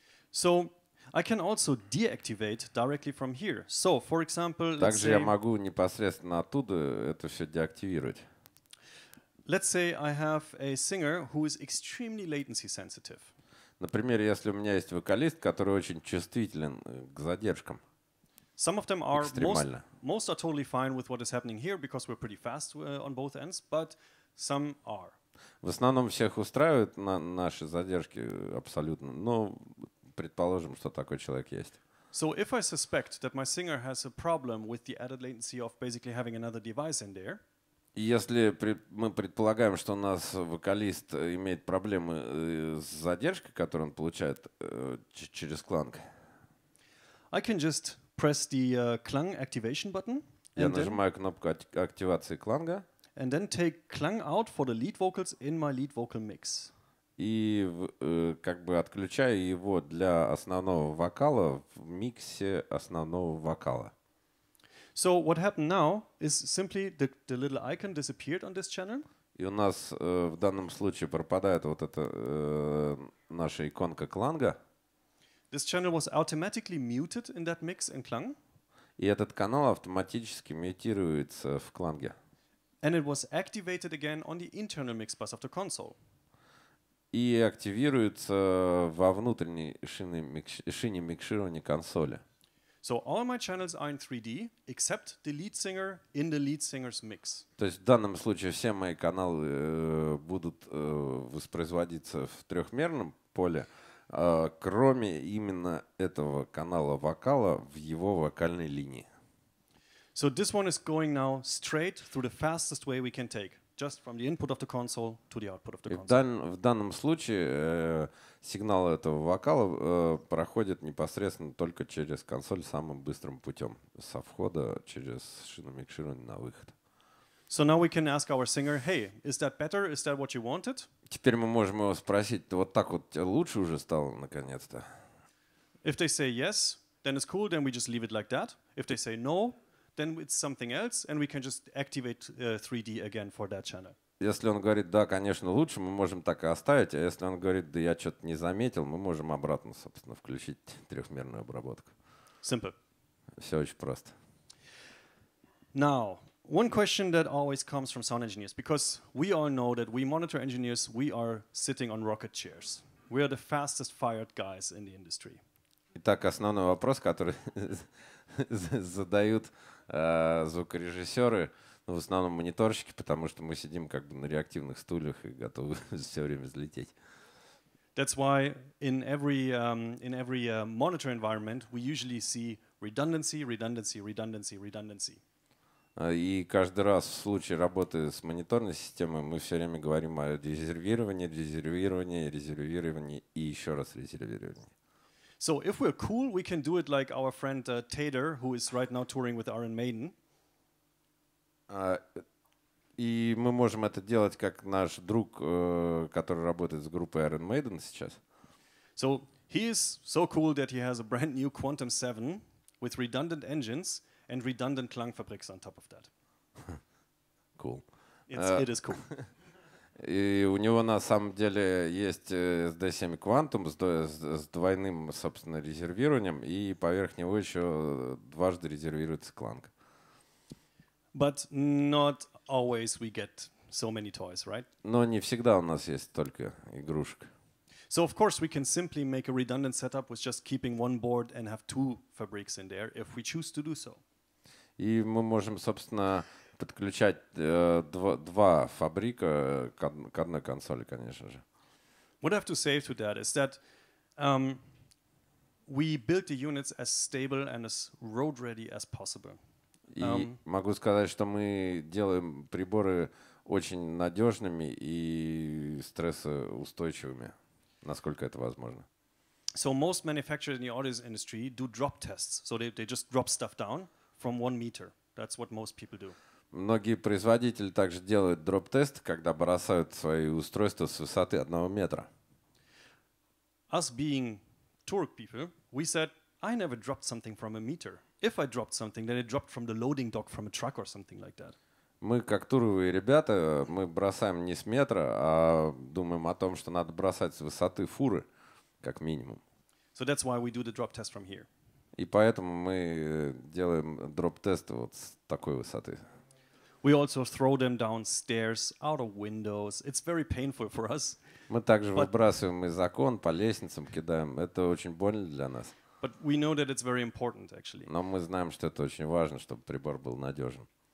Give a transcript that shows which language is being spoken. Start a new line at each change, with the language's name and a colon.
English: So I can also deactivate directly from here. So, for example,
Russian: также я могу непосредственно оттуда это все деактивировать.
English: Let's say I have a singer who is extremely latency sensitive.
Russian: Например, если у меня есть вокалист, который очень чувствителен к задержкам.
English: Some of them are most are totally fine with what is happening here because we're pretty fast on both ends, but some are.
Russian: В основном всех устраивают наши задержки абсолютно, но предположим, что такой человек есть.
English: So if I suspect that my singer has a problem with the added latency of basically having another device in there,
Russian: если мы предполагаем, что у нас вокалист имеет проблемы с задержкой, которую он получает через кланг,
English: I can just press the KLANG activation button.
Russian: Я нажимаю кнопку активации кланга.
English: And then take KLANG out for the lead vocals in my lead vocal mix.
Russian: И как бы отключаю его для основного вокала в миксе основного вокала.
English: So what happened now is simply the little icon disappeared on this channel.
Russian: И у нас в данном случае пропадает вот эта наша иконка кланга.
English: This channel was automatically muted in that mix in KLANG.
Russian: И этот канал автоматически мьютируется в кланге.
English: And it was activated again on the internal mix bus of the console.
Russian: И активируется во внутренней шине микширования консоли.
English: So all my channels are in 3D, except the lead singer in the lead singer's mix.
Russian: То есть в данном случае все мои каналы будут воспроизводиться в трехмерном поле, кроме именно этого канала вокала в его вокальной линии.
English: So this one is going now straight through the fastest way we can take, just from the input of the console to the output of the console.
Russian: В данном случае сигнал этого вокала проходит непосредственно только через консоль самым быстрым путем, со входа через шиномикширование на выход.
English: So now we can ask our singer, hey, is that better? Is that what you wanted?
Russian: Теперь мы можем его спросить, вот так вот лучше уже стало наконец-то?
English: If they say yes, then it's cool, then we just leave it like that. If they say no, then it's something else, and we can just activate 3D again for that channel.
Russian: Если он говорит, да, конечно, лучше, мы можем так и оставить, а если он говорит, да, я что-то не заметил, мы можем обратно, собственно, включить трехмерную обработку.
English: Simple.
Russian: Все очень просто.
English: Now, one question that always comes from sound engineers, because we all know that we monitor engineers, we are sitting on rocket chairs. We are the fastest fired guys in the industry.
Russian: Итак, основной вопрос, который задают звукорежиссеры, ну, в основном мониторщики, потому что мы сидим как бы на реактивных стульях и готовы все время взлететь.
English: That's why in every monitor environment we usually see redundancy, redundancy, redundancy, redundancy.
Russian: И каждый раз в случае работы с мониторной системой мы все время говорим о резервировании, резервировании, резервировании и еще раз резервировании.
English: So if we're cool, we can do it like our friend Tater, who is right now touring with Iron Maiden.
Russian: И мы можем это делать как наш друг, который работает с группой Iron Maiden сейчас.
English: So he is so cool that he has a brand new Quantum 7 with redundant engines and redundant Klangfabriks on top of that. Cool. It is cool.
Russian: И у него на самом деле есть SD7 Quantum с двойным, собственно, резервированием, и поверх него еще дважды резервируется кланг.
English: But not always we get so many toys, right?
Russian: Но не всегда у нас есть только игрушек.
English: So of course we can simply make a redundant setup with just keeping one board and have two fabrics in there if we choose to do so.
Russian: И мы можем, собственно, подключать два фабрика к одной консоли, конечно же.
English: What I have to say to that is that we built the units as stable and as road ready as possible.
Russian: И могу сказать, что мы делаем приборы очень надежными и стрессоустойчивыми, насколько это возможно.
English: So most manufacturers in the audio industry do drop tests, so they just drop stuff down from 1 meter. That's what most people do.
Russian: Многие производители также делают дроп-тест, когда бросают свои устройства с высоты 1 метра.
English: Us being Turk people, we said, I never dropped something from a meter. If I dropped something, then it dropped from the loading dock from a truck or something like that.
Russian: Мы как туровые ребята, мы бросаем не с метра, а думаем о том, что надо бросать с высоты фуры, как минимум.
English: So that's why we do the drop test from here.
Russian: И поэтому мы делаем дроп-тест вот с такой высоты.
English: We also throw them downstairs, out of windows. It's very painful for us.
Russian: Мы также выбрасываем из окон, по лестницам кидаем. Это очень больно для нас.
English: But we know that it's very important, actually.
Russian: Но мы знаем, что это очень важно, чтобы прибор был надежен.